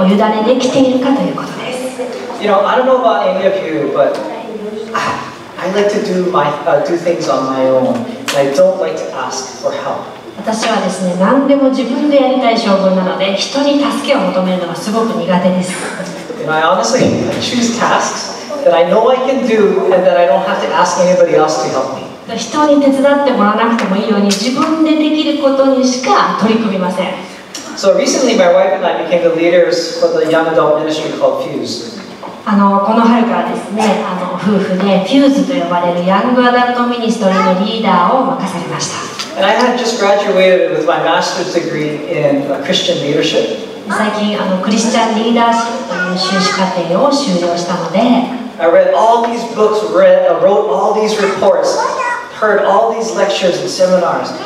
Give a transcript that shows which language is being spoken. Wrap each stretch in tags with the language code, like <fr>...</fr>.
<ja>でも問題はすべてをイエス様にお委ねできているかということです。</ja> <en>You know, I don't know about any of you, but I like to do things on my own. I don't like to ask for help.</en> <ja>私はですね、何でも自分でやりたい性分なので、人に助けを求めるのがすごく苦手です。</ja> <en>I honestly choose tasks that I know I can do and that I don't have to ask anybody else to help me.</en> <ja>人に手伝ってもらわなくてもいいように、自分でできることにしか取り組みません。</ja> <en>So recently, my wife and I became the leaders for the young adult ministry called Fuse.</en> <ja>この春からですね、夫婦でFuseと呼ばれるヤングアダルトミニストリーのリーダーを任されました。</ja> <en>And I had just graduated with my master's degree in Christian leadership.</en> <ja>最近クリスチャンリーダーシップの修士課程を修了したので、</ja> <en>I read all these books, wrote all these reports, heard all these lectures and seminars.</en>